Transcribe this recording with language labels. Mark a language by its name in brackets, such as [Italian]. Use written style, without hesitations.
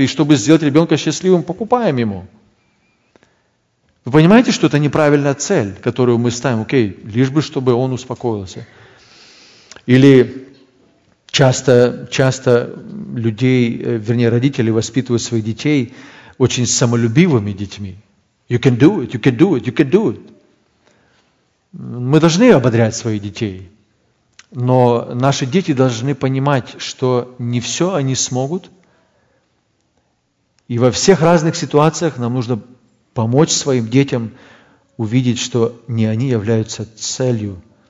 [Russian] И чтобы сделать ребенка счастливым, покупаем ему. Вы понимаете, что это неправильная цель, которую мы ставим? Окей, лишь бы, чтобы он успокоился. Или часто людей, вернее родители, воспитывают своих детей очень самолюбивыми детьми. [English] You can do it, you can do it, you can do it. [Russian] Мы должны ободрять своих детей. Но наши дети должны понимать, что не все они смогут. И во всех разных ситуациях нам нужно помочь своим детям увидеть, что не они являются целью.